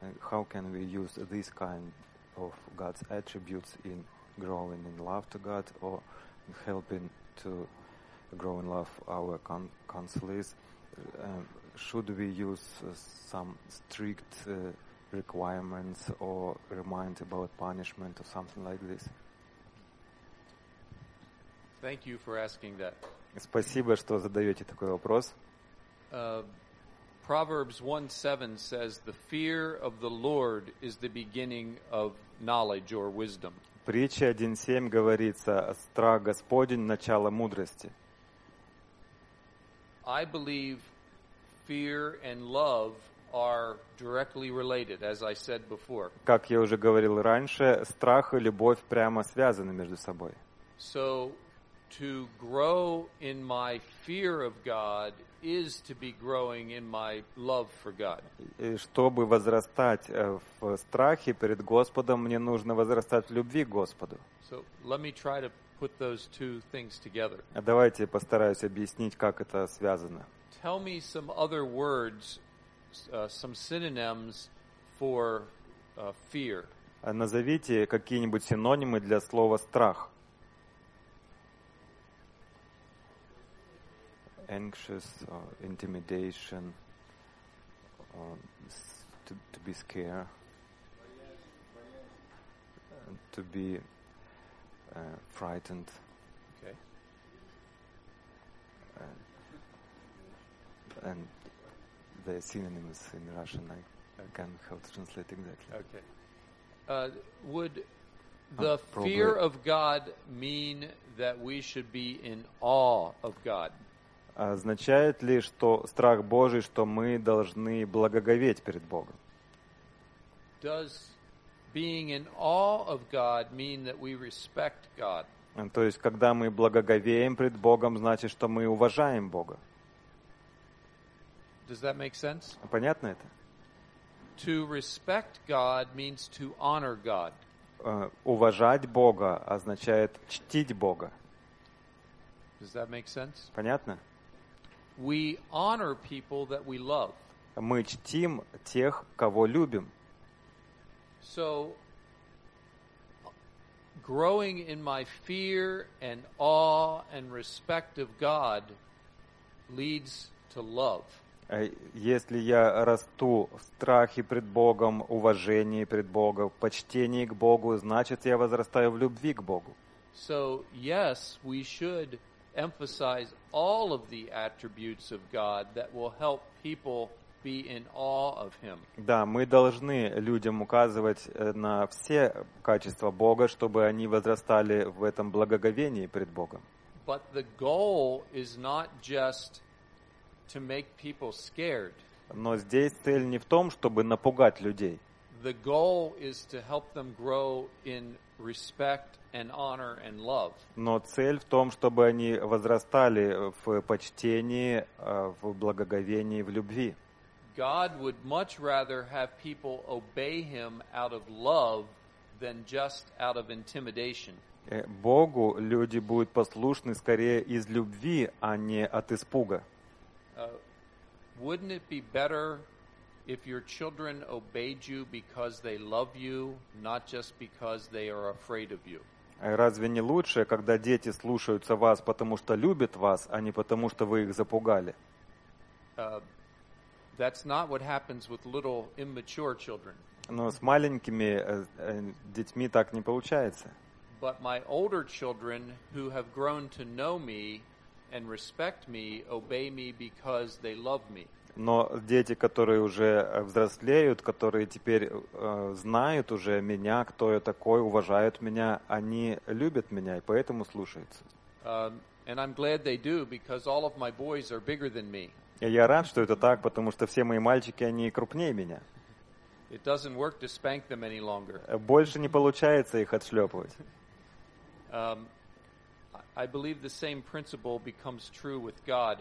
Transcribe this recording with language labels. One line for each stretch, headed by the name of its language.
English: How can we use this kind of God's attributes in growing in love to God or helping to grow in love our counselors? Should we use some strict requirements or remind about punishment or something like this? Thank you for asking that.
Russian: Спасибо, что задаете такой вопрос.
English: Proverbs 1:7 says the fear of the Lord is the beginning of knowledge or wisdom.
Russian: Притча 1:7 говорится: страх Господень — начало мудрости.
English: I believe fear and love are directly related, as I said before.
Russian: Как я уже говорил раньше, страх и любовь прямо связаны между собой.
English: So to grow in my fear of God is to be growing in my love for God.
Russian: И чтобы возрастать в страхе перед Господом, мне нужно возрастать в любви к Господу.
English: So let me try to put those two things together.
Russian: Давайте постараюсь объяснить, как это связано.
English: Tell me some other words, some synonyms for fear.
Russian: Назовите какие-нибудь синонимы для слова страх.
English: Anxious, or intimidation, or to be scared, to be frightened. Okay. And the synonyms in Russian, I can't help to translate exactly. Okay. Would the fear of God mean that we should be in awe of God?
Russian: Означает ли, что страх Божий, что мы должны благоговеть перед Богом?
English: Does being in awe of God mean that we respect God?
Russian: То есть, когда мы благоговеем пред Богом, значит, что мы уважаем Бога.
English: Does that make sense?
Russian: Понятно это?
English: To respect God means to honor God.
Russian: Уважать Бога означает чтить Бога.
English: Does that make sense?
Russian: Понятно?
English: We honor people that we love.
Russian: Мы чтим тех, кого любим.
English: So, growing in my fear and awe and respect of God leads to love.
Russian: Если я расту в страхе пред Богом, уважении пред Богом, почтении к Богу, значит, я возрастаю в любви к Богу.
English: So, yes, we should emphasize all of the attributes of God that will help people be in awe of Him.
Russian: Да, мы должны людям указывать на все качества Бога, чтобы они возрастали в этом благоговении пред Богом.
English: But the goal is not just to make people scared.
Russian: Но здесь цель не в том, чтобы напугать людей.
English: The goal is to help them grow in respect and honor and love.
Russian: Но цель в том, чтобы они возрастали в почтении, в благоговении, в любви.
English: God would much rather have people obey Him out of love than just out of intimidation.
Russian: Богу люди будут послушны скорее из любви, а не от испуга.
English: Wouldn't it be better if your children obeyed you because they love you, not just because they are afraid of you?
Russian: Разве не лучше, когда дети слушаются вас, потому что любят вас, а не потому что вы их запугали?
English: That's not what happens with little immature children.
Russian: Но с маленькими детьми так не получается.
English: But my older children who have grown to know me and respect me obey me because they love me.
Russian: Но дети, которые уже взрослеют, которые теперь знают уже меня, кто я такой, уважают меня, они любят меня и поэтому слушаются.
English: And I'm glad they do, because all of my boys are bigger than me.
Russian: И я рад, что это так, потому что все мои мальчики, они крупнее меня.
English: It doesn't work to spank them any longer.
Russian: Больше не получается их отшлепывать.
English: I believe the same principle becomes true with God.